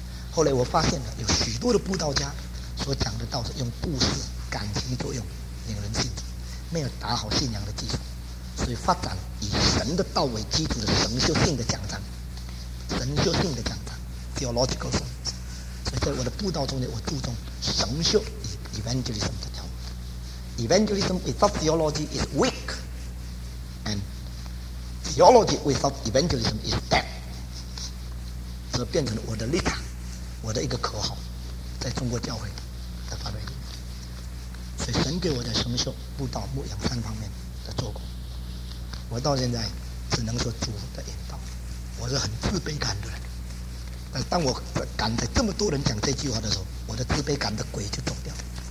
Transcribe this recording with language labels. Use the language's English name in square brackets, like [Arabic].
[Chinese] 后来我发现了有许多的布道家所讲的道是用故事、感情作用令人信主，没有打好信仰的基础。所以发展以神的道为基础的神学性的讲章，神学性的讲章 [English] theological sermon。 [Chinese] 所以在我的布道中间，我注重神学 evangelism 这条。 [English] Evangelism without theology is weak, and theology without evangelism is dead. [Chinese] 这变成了我的立场，我的一个口号，在中国教会的发表里面。所以神给我的神学、布道、牧养三方面的做工，我到现在只能说主的引导。我是很自卑感的人，但当我敢在这么多人讲这句话的时候，我的自卑感的鬼就走掉了。